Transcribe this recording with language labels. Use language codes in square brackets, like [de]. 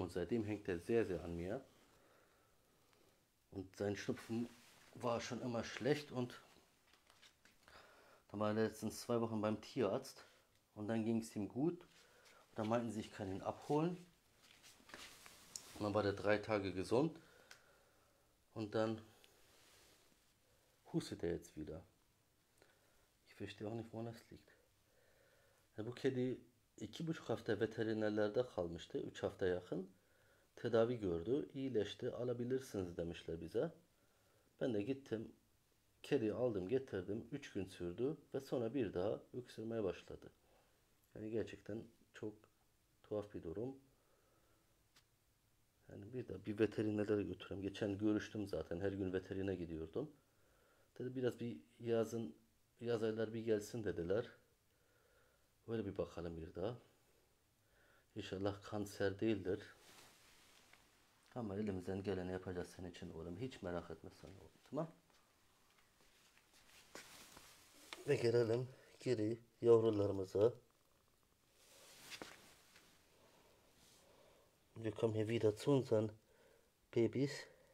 [de] Und seitdem hängt er sehr, sehr an mir. Und sein Schnupfen war schon immer schlecht und dann war er letztens 2 Wochen beim Tierarzt und dann ging es ihm gut. Und dann meinten sie, ich kann ihn abholen. Und dann war der 3 Tage gesund. Und dann hustet er jetzt wieder. Ich verstehe auch nicht, woran das liegt. [tr] Bu kedi 2,5 hafta veterinerlerde kalmıştı. 3 hafta yakın. Tedavi gördü, iyileşti, alabilirsiniz demişler bize. Ben de gittim, kediyi aldım, getirdim. 3 gün sürdü ve sonra bir daha öksürmeye başladı. Yani gerçekten çok tuhaf bir durum. Yani bir de bir veterinere götüreyim. Geçen görüştüm zaten, her gün veterine gidiyordum. Dedi biraz bir yazın, yaz ayları bir gelsin dediler. Böyle bir bakalım bir daha. İnşallah kanser değildir. Ama elimizden geleni yapacağız senin için oğlum. Hiç merak etme sen oğlum. Tamam. Ve gelelim geri yavrularımıza. [de] Wir kommen hier wieder zu unseren Babys.